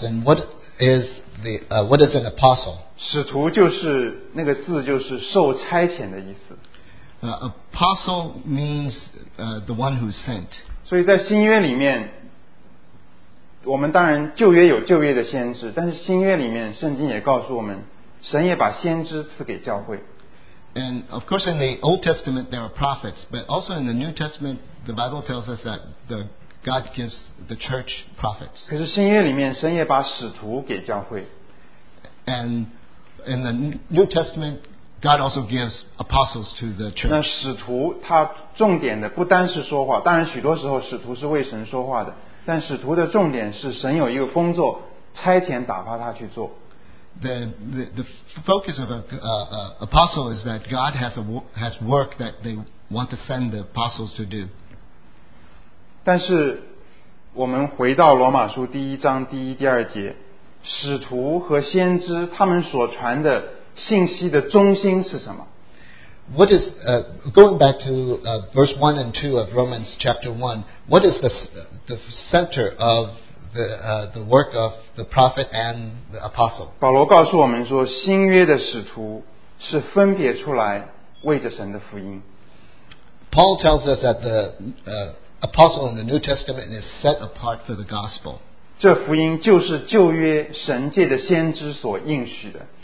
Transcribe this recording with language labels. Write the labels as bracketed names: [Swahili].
[English] And what is what is an apostle? [Chinese] 使徒就是那个字，就是受差遣的意思。 [English] Apostle means the one who's sent. [Chinese] 所以在新约里面，我们当然旧约有旧约的先知，但是新约里面圣经也告诉我们，神也把先知赐给教会。 [English] And of course in the Old Testament there are prophets, but also in the New Testament the Bible tells us that God gives the church prophets. [Chinese] 可是新约里面神也把使徒给教会。 [English] And in the New Testament God also gives apostles to the church. [Chinese] 那使徒他重点的不单是说话，当然许多时候使徒是为神说话的，但使徒的重点是神有一个工作差遣打发他去做。 [English] The focus of an apostle is that God has work that they want to send the apostles to do. [Chinese] 但是我们回到罗马书第一章第一第二节，使徒和先知他们所传的信息的中心是什么？ [English] What is going back to verse 1 and 2 of Romans chapter 1, what is the center of the work of the prophet and the apostle? [Chinese] 保罗告诉我们说，新约的使徒是分别出来为着神的福音。 [English] Paul tells us that the apostle in the New Testament is set apart for the gospel. [Chinese] 这福音就是旧约神借的先知所应许的。